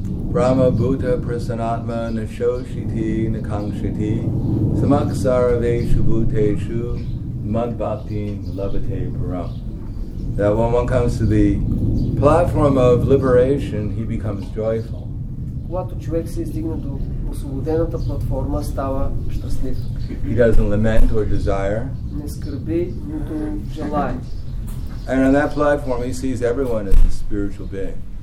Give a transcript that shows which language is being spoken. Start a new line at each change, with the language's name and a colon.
Sanskrit: Brahma Bhuta Prasanatma Nashoshiti Nakangshiti Samaksaraveshu Bhuteshu Madbhakti Labhate Param.
English: That when one comes to the platform of liberation, he becomes joyful.
Bulgarian: Когато човек се издигне до освободената платформа, става щастлив.
English: He doesn't lament or desire.
Bulgarian: Не скърби, нито желае.
English: And on that platform, he sees everyone as a spiritual being.